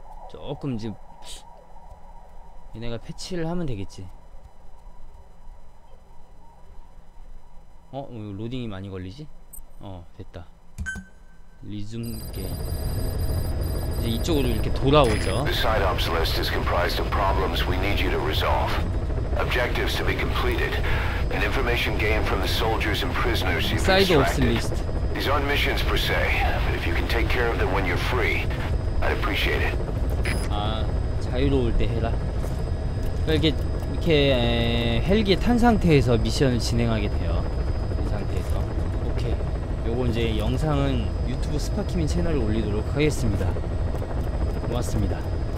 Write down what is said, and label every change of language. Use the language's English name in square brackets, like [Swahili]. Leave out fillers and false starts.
[Korean] 조금 이제 얘네가 패치를 하면 되겠지. 어? 로딩이 많이 걸리지? 어, 됐다. 리즘 게임. 이제 이쪽으로 이렇게 돌아오죠. [English] The side ops list is comprised of problems we need you to resolve. Objectives to be completed. And information gained from the soldiers and prisoners you've extracted. Side ops list. These aren't missions per se, but if you can take care of them when you're free, I'd appreciate it. [Korean] 아, 자유로울 때 해라. 그러니까 이렇게 헬기에 탄 상태에서 미션을 진행하게 돼요. 이 상태에서. 오케이. 요거 이제 영상은 유튜브 스파키민 채널에 올리도록 하겠습니다. 고맙습니다.